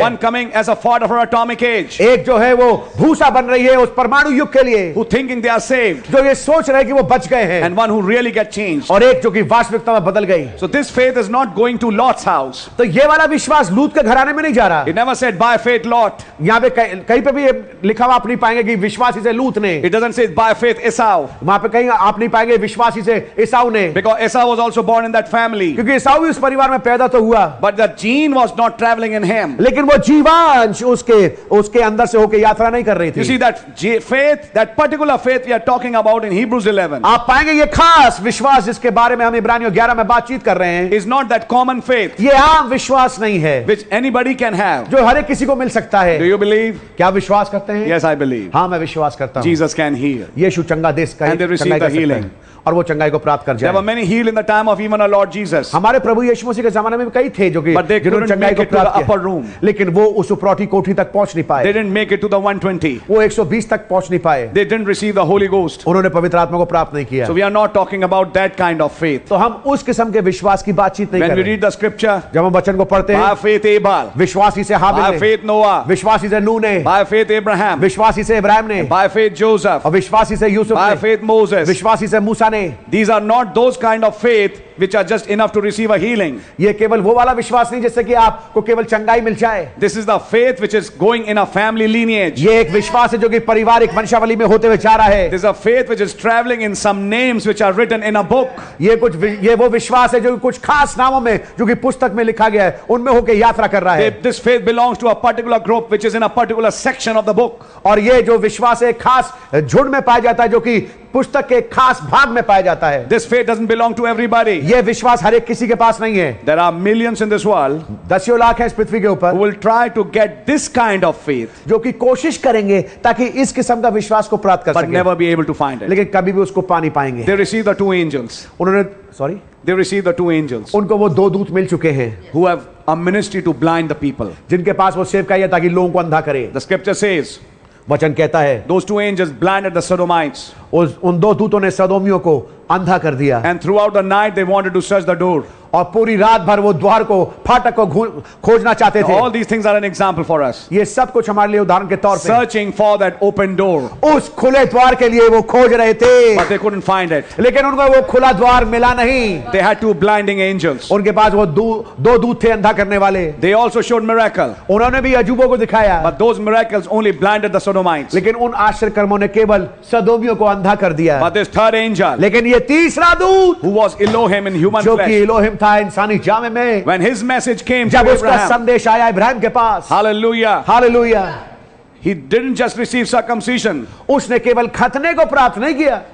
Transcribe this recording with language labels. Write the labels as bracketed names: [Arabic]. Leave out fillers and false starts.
[English] One coming as a fodder for atomic age. [Hindi] एक जो है वो भूसा बन रही है उस परमाणु युग के लिए [English] Who thinking they are saved. [Hindi] जो ये सोच रहे कि वो बच गए हैं. [English] And one who really get changed. [Hindi] और एक जो कि वास्तविकता में बदल गई. [English] So this faith is not going to Lot's house. [Hindi] तो ये वाला विश्वास लूत के घराने में नहीं जा रहा. [English] It never said by faith Lot. [Hindi] यहाँ पे कहीं पे भी लिखा हुआ आप नहीं पाएंगे कि विश्वासी से लूत ने. [English] It doesn't say by faith Esau. [Hindi] वहाँ पे कहीं आप नहीं पाएंगे विश्वासी से Esau ने. [English] Because Esau was also born in that family. [Hindi] क्योंकि Esau भी उस परिवार में पैदा तो हुआ. [English] But the gene was not traveling in him. [Hindi] लेकिन वो जीवांश उसके उसके अंदर से होके यात्रा नहीं कर रही थी. [English] You see that faith, that particular faith we are talking about in Hebrews 11. [Hindi] आप पाएंगे ये खास विश्वास जिसके बारे में हम इब्रानियों 11 में बातचीत कर रहे हैं. [English] Is not that common faith. [Hindi] ये आम विश्वास नहीं है. [English] Which anybody can have. [Hindi] जो हर एक किसी को मिल सकता है. [English] Do you believe? [Hindi] क्या आप विश्वास करते हैं? [English] Yes, I believe. [Hindi] हाँ, मैं विश्वास करता हूँ. [English] Jesus can heal. [Hindi] यीशु चंगा देश का [English] And they receive the healing. [Hindi] और वो चंगाई को प्राप्त कर जाए. [English] There were many healed in the time of even our Lord Jesus. [Hindi] हमारे प्रभु यीशु मसीह के जमाने में भी कई थे जो कि जिन्होंने चंगाई को प्राप्त किया. [English] Upper room. [Hindi] लेकिन वो उस उपरोटी कोठी तक पहुंच नहीं पाए. [English] They didn't make it to the 120. [Hindi] वो 120 तक पहुंच नहीं पाए. [English] They didn't receive the Holy Ghost. [Hindi] उन्होंने पवित्र आत्मा को प्राप्त नहीं किया. [English] So we are not talking about that kind of faith. [Hindi] तो हम उस किस्म के विश्वास की बातचीत नहीं कर रहे. [English] When we read the scripture. [Hindi] जब हम वचन को पढ़ते हैं. [English] By faith Abel. [Hindi] विश्वासी से हाबिल. [English] By faith Noah. [Hindi] विश्वासी से नूह ने. [English] By faith Abraham. [Hindi] विश्वासी से इब्राहिम ने. [English] By faith Joseph. [Hindi] और विश्वासी से यूसुफ [English] ने. By faith Moses. [Hindi] विश्वासी से मूसा. [English] These are not those kind of faith which are just enough to receive a healing. [Hindi] ये केवल वो वाला विश्वास नहीं जिससे कि आपको केवल चंगाई मिल जाए. [English] This is the faith which is going in a family lineage. [Hindi] ये एक विश्वास है जो कि पारिवारिक वंशावली में होते हुए जा रहा है. [English] This is a faith which is traveling in some names which are written in a book. [Hindi] ये कुछ ये वो विश्वास है जो कुछ खास नामों में जो कि पुस्तक में लिखा गया है उनमें होकर यात्रा कर रहा है. [English] This faith belongs to a particular group which is in a particular section of the book. [Hindi] और ये जो विश्वास है खास झुंड में पाया जाता है जो कि पुस्तक के खास भाग में पाया जाता है. [English] This faith doesn't belong to everybody. [Hindi] ये विश्वास हर एक किसी के पास नहीं है. [English] There are millions in this world. [Hindi] दसियों lakh हैं इस पृथ्वी के ऊपर. [English] Who will try to get this kind of faith. [Hindi] जो कि कोशिश करेंगे ताकि इस किस्म का विश्वास को प्राप्त कर सकें. [English] But never be able to find it. [Hindi] लेकिन कभी भी उसको पा नहीं पाएंगे. [English] They received the two angels. [Hindi] उन्होंने sorry. [English] They received the two angels. [Hindi] उनको वो दो दूत मिल चुके हैं. [English] Who have a ministry to blind the people. [Hindi] जिनके पास वो सेवकाई है ताकि लोगों को अंधा करे. [English] The scripture says. [Hindi] वचन कहता है. [English] Those two angels blinded the Sodomites. [Hindi] उन दो दूतों ने सदोमियों को अंधा कर दिया. [English] And throughout the night they wanted to search the door. [Hindi] और पूरी रात भर वो द्वार को फाटक को खोजना चाहते थे. [English] All these things are an example for us. [Hindi] ये सब कुछ हमारे लिए उदाहरण के तौर पे. [English] Searching for that open door. [Hindi] उस खुले द्वार के लिए वो खोज रहे थे. [English] But they couldn't find it. [Hindi] लेकिन उनको वो खुला द्वार मिला नहीं. [English] They had two blinding angels. [Hindi] उनके पास वो दो दूत थे अंधा करने वाले. [English] They also showed miracle. [Hindi] उन्होंने भी अजूबों को दिखाया. [English] But those miracles only blinded the Sodomites. [Hindi] लेकिन उन आश्चर्यकर्मों ने केवल सदोमियों को अंधा कर दिया. [English] But this third angel. [Hindi] लेकिन ये तीसरा दूत. [English] Who was Elohim in human [Hindi] flesh. जो कि Elohim था इंसानी जामे में. [English] When his message came [Hindi] जब उसका संदेश आया इब्राहिम के पास. Hallelujah. Hallelujah. [English] He didn't just receive circumcision. [Hindi] उसने केवल खतने को प्राप्त नहीं किया.